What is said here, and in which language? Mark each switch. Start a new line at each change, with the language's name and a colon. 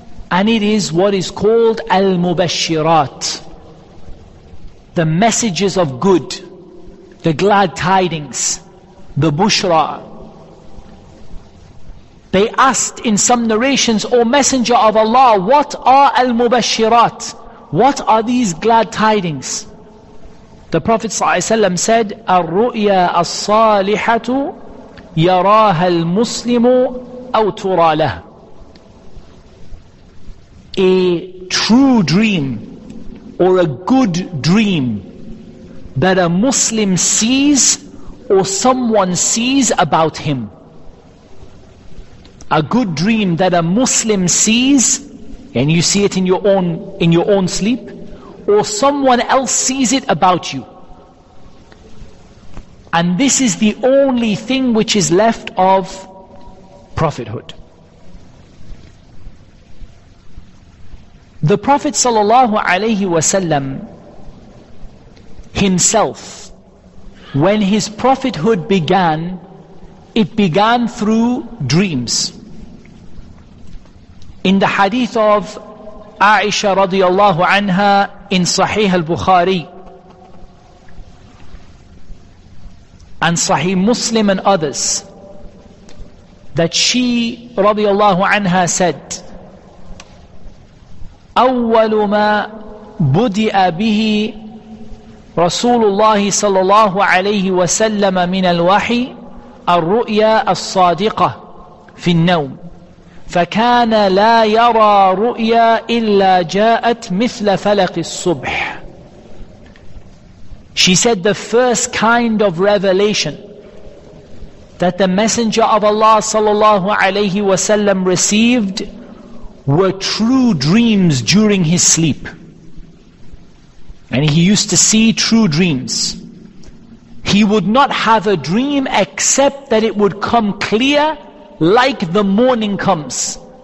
English: And it is what is called al-mubashirat, the messages of good, the glad tidings, the bushra. They asked in some narrations, O Messenger of Allah, what are al-mubashirat? What are these glad tidings?
Arabic: The Prophet ﷺ said, الرؤيا الصالحة يراها المسلم أو ترى له.
English: A true dream or a good dream that a Muslim sees or someone sees about him. A good dream that a Muslim sees, and you see it in your own sleep, or someone else sees it about you. And this is the only thing which is left of prophethood. The Prophet
Arabic: sallallahu alaihi wasallam
English: himself, when his prophethood began, it began through dreams. In the hadith of Aisha radiallahu anha in Sahih al-Bukhari and Sahih Muslim and others, that she radiallahu anha said,
Arabic: أول ما بدأ به رسول الله صلى الله عليه وسلم من الوحي الرؤيا الصادقة في النوم فكان لا يرى رؤيا إلا جاءت مثل فلق الصبح.
English: She said, the first kind of revelation that the Messenger of Allah
Arabic: صلى الله عليه وسلم
English: received were true dreams during his sleep. And he used to see true dreams. He would not have a dream except that it would come clear like the morning comes.